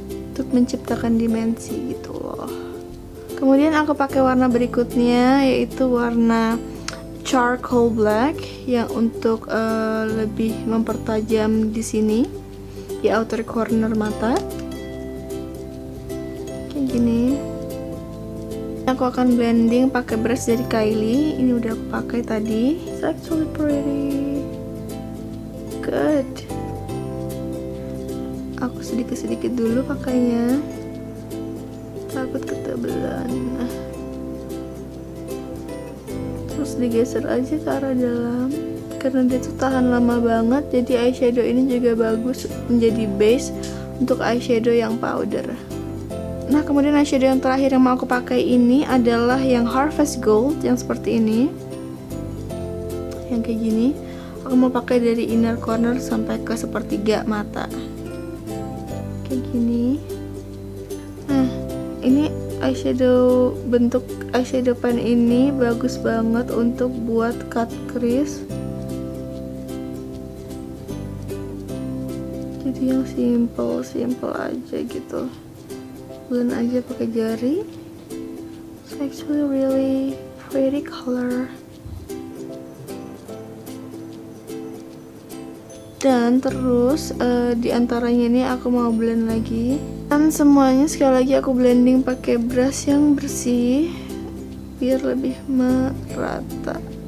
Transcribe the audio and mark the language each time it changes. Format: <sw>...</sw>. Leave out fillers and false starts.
<id>Untuk menciptakan dimensi gitu loh. Kemudian aku pakai warna berikutnya yaitu warna charcoal black yang untuk lebih mempertajam di sini di outer corner mata. Kayak gini. Aku akan blending pakai brush dari Kylie. Ini udah aku pakai tadi.</id> <en>It's actually pretty good.</en> <id>Aku sedikit-sedikit dulu pakainya. Takut ketebelan. Terus digeser aja ke arah dalam. Karena dia tuh tahan lama banget, jadi eyeshadow ini juga bagus menjadi base untuk eyeshadow yang powder. Nah, kemudian eyeshadow yang terakhir yang mau aku pakai ini adalah yang Harvest Gold, yang seperti ini. Yang kayak gini. Aku mau pakai dari inner corner sampai ke sepertiga mata. Kayak gini. Nah, ini eyeshadow, bentuk eyeshadow pen ini bagus banget untuk buat cut crease. Jadi yang simple-simple aja gitu. Blend aja pakai jari.</id> <en>It's actually really pretty color.</en> <id>Dan terus di antaranya ini aku mau blend lagi. Dan semuanya sekali lagi aku blending pakai brush yang bersih biar lebih merata.</id>